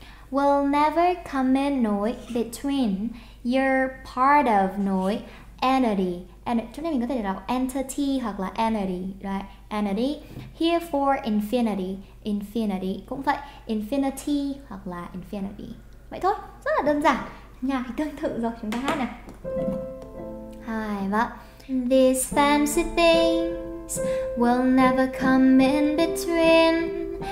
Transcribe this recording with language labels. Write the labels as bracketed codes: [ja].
[en] Will never come in nổi between, you're part of nổi entity. [vi] Chỗ này mình có thể đọc entity hoặc là entity, right? Entity. [en] Here for infinity, infinity [vi] cũng vậy, [en] infinity [vi] hoặc là [en] infinity. [vi] Vậy thôi, rất là đơn giản. Nhạc thì tương tự rồi, chúng ta hát nè. 2, 3. [en] These fancy things will never come in between.